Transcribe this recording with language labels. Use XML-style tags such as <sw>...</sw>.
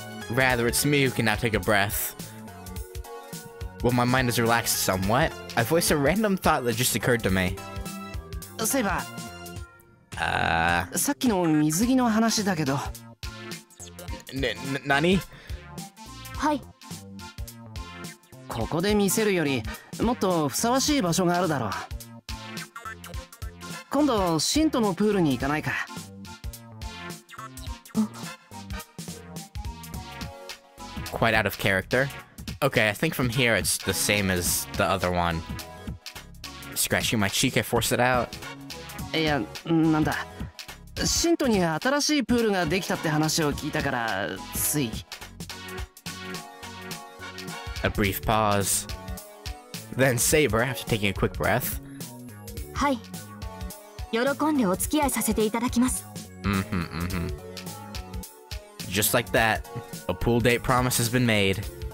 <en>Rather, it's me who can now take a breath. Well, my mind is relaxed somewhat. I voice a random thought that just occurred to me. Saber.</en> <ja>さっきの水着の話だけど。何? はい。ここで見せるより、もっとふさわしい場所があるだろう。今度、シントのプールに行かないか。</ja> <en>Quite out of character. Okay, I think from here it's the same as the other one. Scratching my cheek, I force it out. Yeah, what?</en> <ja>Shinto に新しいプールができたって話を聞いたから、つい。</ja> <en>A brief pause. Then Saber, after taking a quick breath.</en> <ja>はい。喜んでお付き合いさせていただきます。 Mm-hmm, mm-hmm.</ja> <en>just like that, a pool date promise has been made.</en>